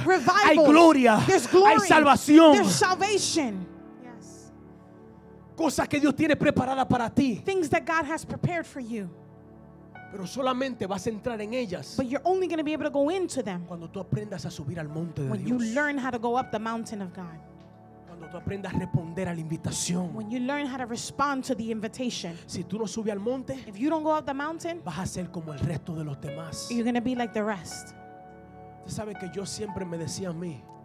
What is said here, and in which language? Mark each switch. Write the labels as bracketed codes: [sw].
[en] Revival. [es] Hay gloria. [en] There's glory. [es] Hay salvación. [en] There's salvation. Yes. [es] Cosas que Dios tiene preparadas para ti. [en] Things that God has prepared for you. [es] Pero solamente vas a entrar en ellas. [en] But you're only going to be able to go into them. [es] Cuando tú aprendas a subir al monte de Dios. [en] When you learn how to go up the mountain of God. [es] Cuando tú aprendas a responder a la invitación. [en] When you learn how to respond to the invitation. [es] Si tú no subes al monte. [en] If you don't go up the mountain. [es] Vas a ser como el resto de los demás. [en] You're going to be like the rest. [es] Usted sabe que yo siempre me decía a mí.